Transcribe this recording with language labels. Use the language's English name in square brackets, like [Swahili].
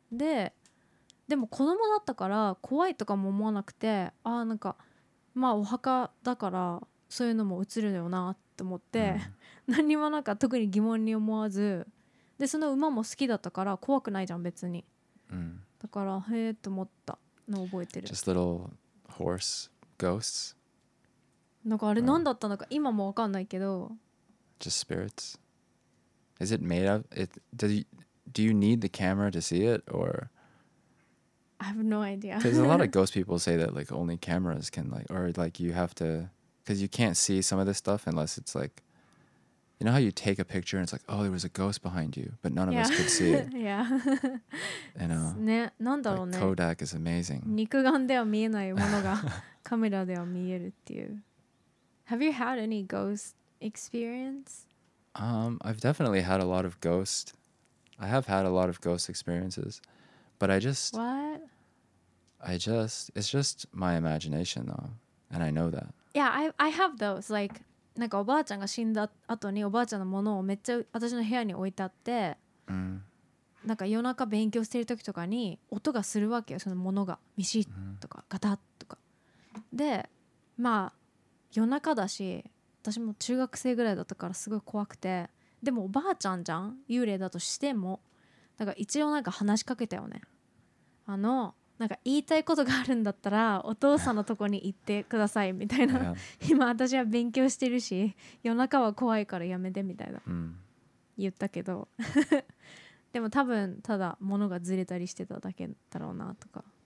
[Japanese] でも子供だったから怖いとかも思わなくて、ああなんかまあお墓だからそういうのも写るのよなって思って、何もなんか特に疑問に思わず、でその馬も好きだったから怖くないじゃん別に、だからへーと思ったのを覚えてる。 [English] Just little horse ghosts? [Japanese] なんかあれ何だったのか今もわかんないけど。 [English] Just spirits? Is it made of it? Do you need the camera to see it? Or I have no idea. Because a lot of ghost people say that like only cameras can like, or like you have to, because you can't see some of this stuff unless it's likeYou know how you take a picture and it's like, oh, there was a ghost behind you, but none of us could see it. Yeah. You know. [Japanese] ね、なんだろうね。 [English] Kodak is amazing. [Japanese] 肉眼では見えないものがカメラでは見えるっていう。 [English] Have you had any ghost experience? I've definitely had a lot of ghost. I have had a lot of ghost experiences, but I just. What? It's just my imagination, though, and I know that. Yeah, I have those, like. [Japanese] なんかおばあちゃんが死んだ後におばあちゃんのものをめっちゃ私の部屋に置いてあって、なんか夜中勉強してる時とかに音がするわけよ、そのものがミシッとかガタッとか。でまあ夜中だし私も中学生ぐらいだったからすごい怖くて、でもおばあちゃんじゃん幽霊だとしても、だから一応なんか話しかけたよね、なんか言いたいことがあるんだったらお父さんのとこに行ってくださいみたいな、今私は勉強してるし夜中は怖いからやめてみたいな、言ったけどでも多分ただ物がずれたりしてただけだろうなとか。